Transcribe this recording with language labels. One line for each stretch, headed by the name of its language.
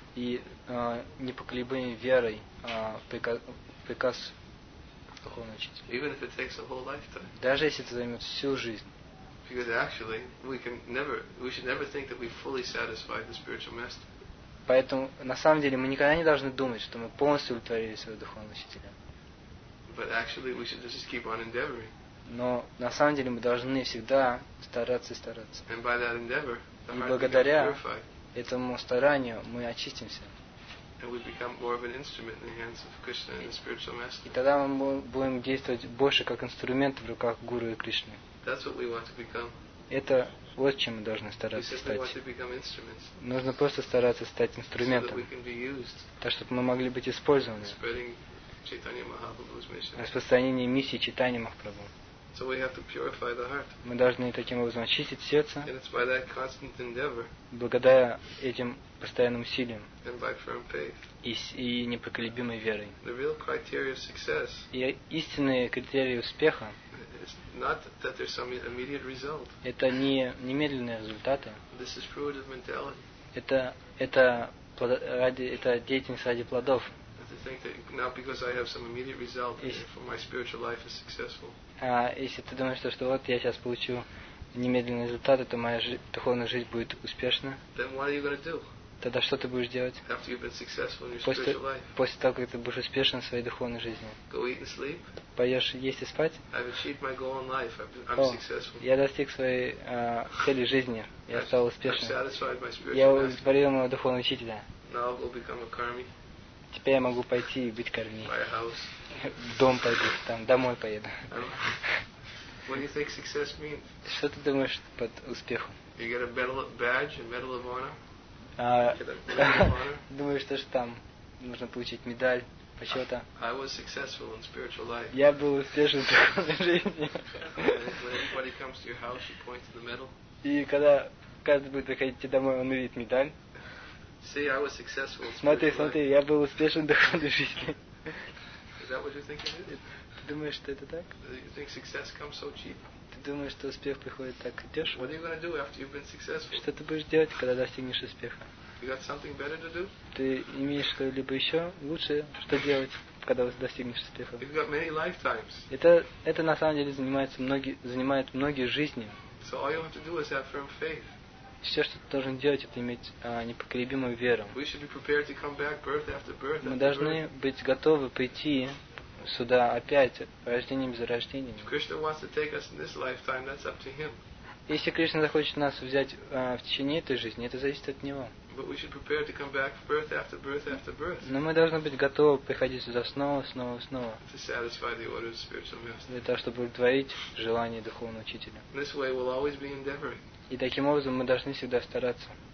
Russian: И непоколебимой верой приказ духовного учителя.
English: Even if it takes a whole lifetime.
Russian: Даже если это займет всю жизнь.
English: Because actually, we should never think that we fully satisfied the spiritual master.
Russian: Поэтому, на самом деле, мы никогда не должны думать, что мы полностью удовлетворили своего духовного учителя.
English: But actually, we should just keep on endeavoring.
Russian: Но на самом деле мы должны всегда стараться и стараться.
English: And by that endeavor,
Russian: и благодаря этому старанию мы очистимся.
English: And we become more of an instrument in the hands of Krishna and the spiritual master.
Russian: И тогда мы будем действовать больше как инструмент в руках Гуру и Кришны.
English: That's what we want to become.
Russian: Это вот чем мы должны стараться
English: we
Russian: стать.
English: We want to become instruments.
Russian: Нужно просто стараться стать инструментом,
English: so that we can be used.
Russian: Так, чтобы мы могли быть использованы.
English: Spreading Chaitanya Mahaprabhu's mission.
Russian: Распространение миссии Чайтаньи Махапрабху.
English: So we have to purify the heart.
Russian: Мы должны таким образом очистить сердце.
English: And it's by that constant endeavor.
Russian: Благодаря этим постоянным усилиям.
English: And by firm faith.
Russian: И непоколебимой верой.
English: The real criteria of success.
Russian: И истинные критерии успеха.
English: It's not that there's some immediate result.
Russian: Это не немедленные результаты.
English: This is fruit of mentality.
Russian: Это деятельность ради плодов.
English: To think that now because I have some immediate result, therefore my spiritual life is successful.
Russian: Если ты думаешь, что вот я сейчас получу немедленные результаты, то моя духовная жизнь будет успешна.
English: Then what are you going to do?
Russian: Тогда что ты будешь делать?
English: After you've been successful in your spiritual life.
Russian: После того, как ты будешь успешен в своей духовной жизни.
English: Go eat and sleep.
Russian: Поешь, есть и спать.
English: I've achieved my goal in life. I'm successful.
Russian: Я достиг своей цели жизни. Я стал успешным.
English: I've satisfied my spiritual master.
Russian: Я удовлетворил моего духовного учителя.
English: Now I'll become a karmi.
Russian: Теперь я могу пойти и быть корми.
English: Buy a house.
Russian: В дом пойду, там, домой поеду.
English: What do you think success means?
Russian: Что ты думаешь под успехом?
English: You get a medal, badge, a medal of honor.
Russian: Думаешь, что там нужно получить медаль по чему-то?
English: I was successful in spiritual life.
Russian: Я был успешен в жизни.
English: When anybody comes to your house, you point to the medal.
Russian: И когда каждый будет приходить домой, он увидит медаль.
English: See, I was successful.
Russian: Смотри, я был успешен в духовной жизни.
English: Is that what you think it is?
Russian: Ты думаешь, что это так?
English: You think success comes so cheap?
Russian: Ты думаешь, что успех приходит так дешево?
English: What are you going to do after you've been successful?
Russian: Что ты будешь делать, когда достигнешь успеха?
English: You got something better to do?
Russian: Ты имеешь что-либо еще лучшее, что делать, когда достигнешь успеха?
English: You've got many lifetimes.
Russian: Это на самом деле занимает многие жизни.
English: So all you have to do is have firm faith.
Russian: Все, что ты должен делать, это иметь непоколебимую веру.
English: We should be prepared to come back birth after birth after
Russian: мы должны
English: birth.
Russian: Быть готовы прийти сюда опять, рождением за рождением.
English: If Krishna wants to take us in this lifetime, that's up to him.
Russian: Если Кришна захочет нас взять в течение этой жизни, это зависит от Него.
English: But we should prepare to come back birth after birth after birth.
Russian: Но мы должны быть готовы приходить сюда снова, снова, снова.
English: To satisfy the order of spiritual master.
Russian: Для того, чтобы удовлетворить желание духовного учителя.
English: This way we'll always be endeavoring.
Russian: И таким образом мы должны всегда стараться.